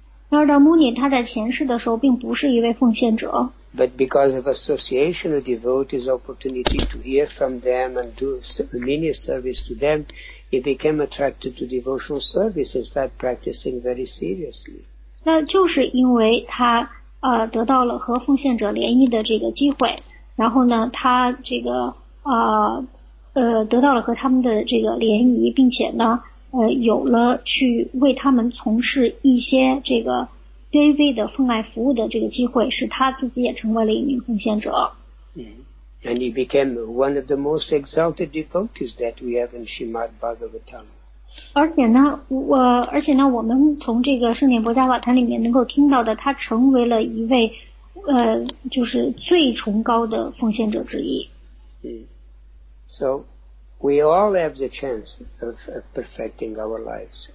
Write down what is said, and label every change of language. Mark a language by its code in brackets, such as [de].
[zh] Narada Muni 他在前世的时候并不是一位奉献者。 [en] But because of association of devotees, opportunity to hear from them and do many service to them, he became attracted to devotional service and started practicing very seriously. [zh] 那就是因为他得到了和奉献者联谊的这个机会，然后呢，他这个得到了和他们的这个联谊，并且呢，有了去为他们从事一些这个 DV 的奉爱服务的这个机会，使他自己也成为了一名奉献者。 [en] And he became one of the most exalted devotees that we have in Srimad Bhagavatam. [zh] 而且呢，我们从这个《圣典薄伽瓦坛》里面能够听到的，他成为了一位，就是最崇高的奉献者之一。 [en] So we all have the chance of perfecting our lives.